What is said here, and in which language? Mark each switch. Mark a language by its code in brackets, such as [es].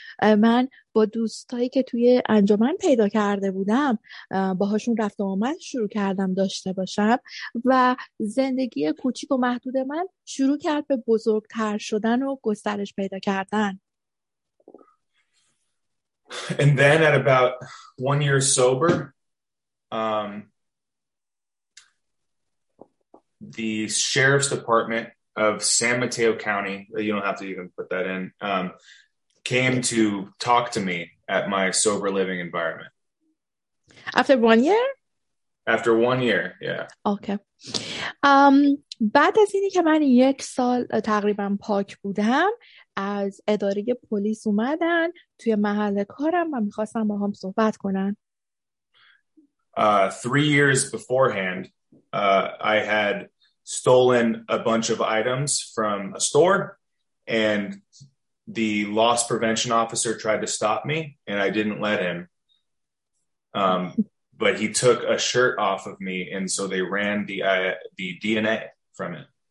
[fa] من با دوستایی که توی انجمن پیدا کرده بودم باهاشون رفت و آمد شروع کردم داشته باشم و زندگی کوچیک و محدود من شروع کرد به بزرگتر شدن و گسترش پیدا کردن. [en] And then at about 1 year sober, the sheriff's department of San Mateo County, you don't have to even put that in, came to talk to me at my sober living environment. After 1 year? After 1 year, yeah. Okay. [fa] بعد از اینی که من یک سال تقریبا پاک بودم، از اداره پلیس اومدن توی محل کارم و میخواستن با هم صحبت کنن. [en] 3 years beforehand, I had stolen a bunch of items from a store, and the loss prevention officer tried to stop me, and I didn't let him. But he took a shirt off of me, and so they ran the DNA from it.